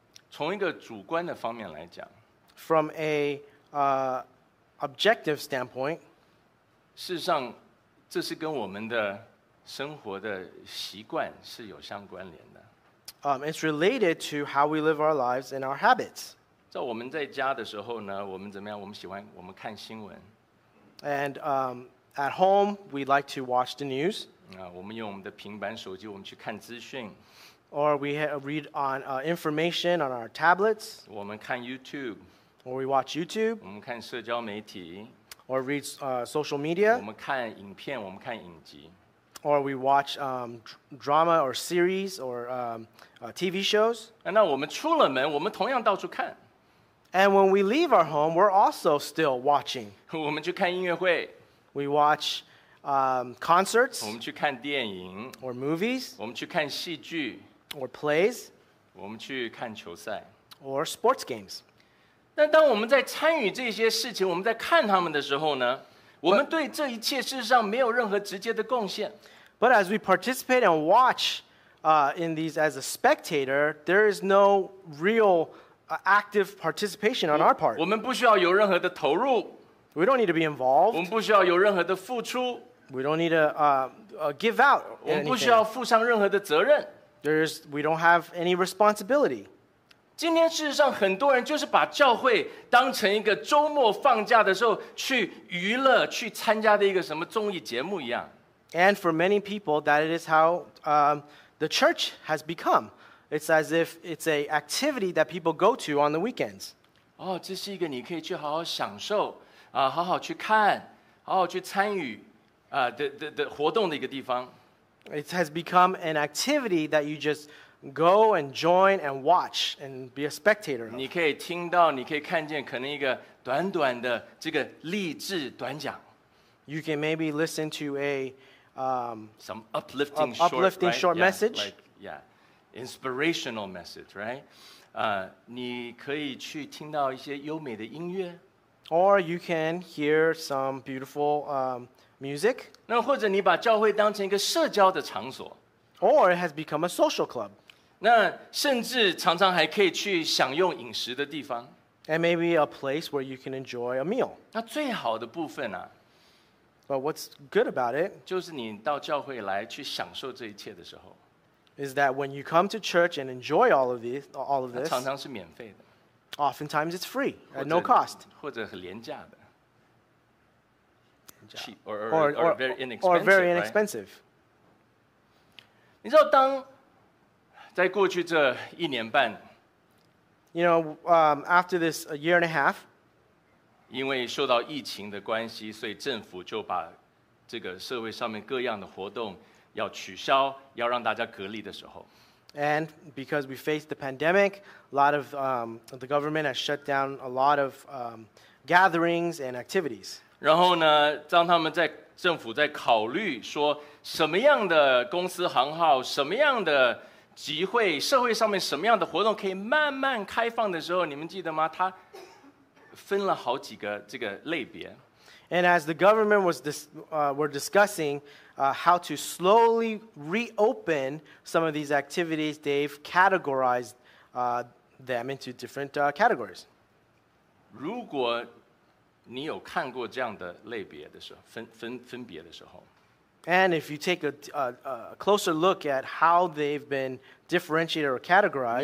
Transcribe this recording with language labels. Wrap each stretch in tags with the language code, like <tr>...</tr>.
<zh>从一个主观的方面来讲,</zh> <en>From a objective standpoint,</en> <zh>事实上这是跟我们的生活的习惯是有相关联的。</zh> <en>It's related to how we live our lives and our habits.</en> <zh>在我们在家的时候呢，我们怎么样？我们喜欢我们看新闻。</zh> <en>And at home, we like to watch the news.</en> <zh>我们用我们的平板手机，我们去看资讯。</zh> <en>Or we read on information on our tablets.</en> <zh>我们看 YouTube.</zh> <en>Or we watch YouTube.</en> <zh>我们看社交媒体。</zh> <en>or read social media,</en> <zh>我们看影片，我们看影集。</zh> <en>Or we watch drama or series or TV shows.</en> <zh>那我们出了门，我们同样到处看。</zh> <en>And when we leave our home, we're also still watching.</en> <zh>我们去看音乐会。</zh> <en>We watch concerts.</en> <zh>我们去看电影。</zh> <en>Or movies.</en> <zh>我们去看戏剧。</zh> <en>Or plays.</en> <zh>我们去看球赛。</zh> <en>Or sports games.</en> <zh>但当我们在参与这些事情，我们在看他们的时候呢？我们对这一切事实上没有任何直接的贡献。</zh> <en>But as we participate and watch in these as a spectator, there is no real active participation on our part.</en> <zh>我们不需要有任何的投入。</zh> <en>We don't need to be involved.</en> <zh>我们不需要有任何的付出。</zh> <en>We don't need to give out anything.</en> <zh>我们不需要负上任何的责任。</zh> <en>We don't have any responsibility.</en> <zh>今天事实上很多人就是把教会当成一个周末放假的时候去娱乐去参加的一个什么综艺节目一样。</zh> <en>And for many people, that is how the church has become. It's as if it's an activity that people go to on the weekends.</en> <zh>哦，这是一个你可以去好好享受啊，好好去看，好好去参与啊的活动的一个地方。</zh> <en>It has become an activity that you just go and join and watch and be a spectator of.</en> <zh>你可以听到，你可以看见，可能一个短短的这个励志短讲。</zh> <en>You can maybe listen to a some uplifting short, uplifting right? short message. Yeah, like, yeah, inspirational message, right?</en> <zh>你可以去听到一些优美的音乐。</zh> <en>Or you can hear some beautiful music.</en> <zh>那或者你把教会当成一个社交的场所。</zh> <en>Or it has become a social club.</en> <zh>那甚至常常还可以去享用饮食的地方。</zh> <en>And maybe a place where you can enjoy a meal.</en> <zh>那最好的部分啊。</zh> <en>But what's good about it?</en> <zh>就是你到教会来去享受这一切的时候。</zh> <en>Is that when you come to church and enjoy all of this,</en> <zh>它常常是免费的。</zh> <en>Oftentimes it's free, at no cost.</en> <zh>或者很廉价的。</zh> <en>Cheap, or very inexpensive. You know,</en> <zh>当在过去这一年半</zh> <en>you know, after this year and a half,</en> <zh>因为受到疫情的关系，所以政府就把这个社会上面各样的活动要取消，要让大家隔离的时候</zh> <en>and because we faced the pandemic, a lot of the government has shut down a lot of gatherings and activities.</en> <zh>然后呢，当他们在政府在考虑说什么样的公司行号、什么样的集会、社会上面什么样的活动可以慢慢开放的时候，你们记得吗？他分了好几个这个类别。</zh> <en>And as the government was discussing how to slowly reopen some of these activities, they've categorized them into different categories.</en> <zh>如果你有看过这样的类别的时候 分别的时候</zh> <en>And if you take a closer look at how they've been differentiated or categorized</en>